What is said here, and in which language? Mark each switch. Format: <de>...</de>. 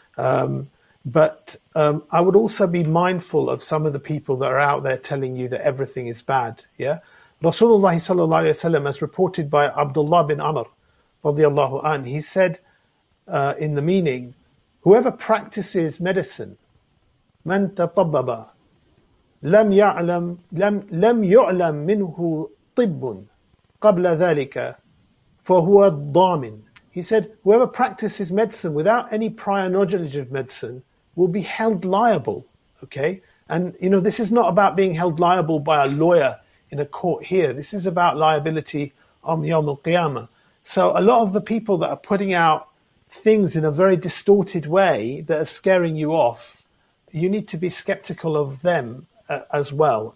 <en>But I would also be mindful of some of the people that are out there telling you that everything is bad. Yeah, Rasulullah sallallahu alaihi wasallam, as reported by Abdullah bin Amr, radiallahu an, he said in the meaning, whoever practices medicine</en> <ar>من تطبب لم يعلم لم يعلم منه طب قبل ذلك فهو ضامن.</ar> <en>He said, whoever practices medicine without any prior knowledge of medicine will be held liable. Okay? And, you know, this is not about being held liable by a lawyer in a court here. This is about liability on Yawm al-Qiyamah. So a lot of the people that are putting out things in a very distorted way that are scaring you off, you need to be skeptical of them as well.</en>